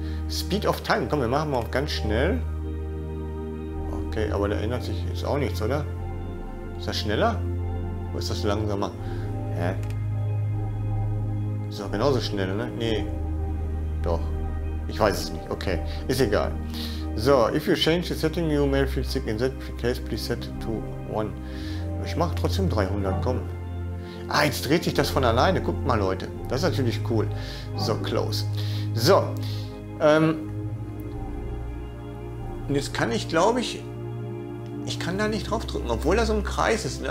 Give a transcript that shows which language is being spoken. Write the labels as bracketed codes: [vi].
[de] Speed of Time, komm, wir machen mal auch ganz schnell. Okay, aber da ändert sich jetzt auch nichts, oder? Ist das schneller? Oder ist das langsamer? Hä? Ist doch genauso schnell, ne? Nee. Doch. Ich weiß es nicht. Okay, ist egal. [en] So, if you change the setting, you may feel sick in that case, please set to 1. [de] Ich mache trotzdem 300, komm. Ah, jetzt dreht sich das von alleine. Guckt mal, Leute. Das ist natürlich cool. So, close. So. Und jetzt kann ich, glaube ich, ich kann da nicht drauf drücken, obwohl da so ein Kreis ist. Ne?